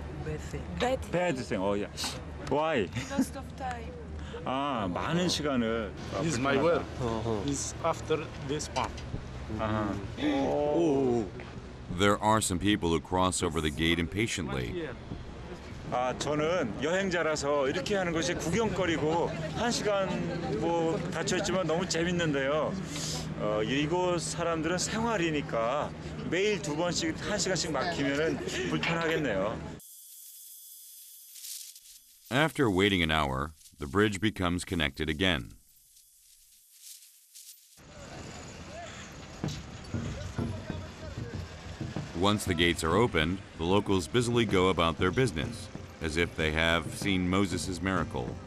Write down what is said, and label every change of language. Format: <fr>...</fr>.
<en>Bad thing. Bad thing, oh yes. Why? Lost of time.</en> <ko>Ah, 많은 시간을.</ko> <en>This is my work. Uh-huh. It's after this part. Uh-huh. Oh. There are some people who cross over the gate impatiently.</en> <ko>아, 저는 여행자라서 이렇게 하는 것이 구경거리고 한 시간 뭐 다쳤지만 너무 재밌는데요. 이곳 사람들은 생활이니까 매일 두 번씩 한 시간씩 막히면은 불편하겠네요.</ko> <en>After waiting an hour, the bridge becomes connected again. Once the gates are opened, the locals busily go about their business, as if they have seen Moses' miracle.</en>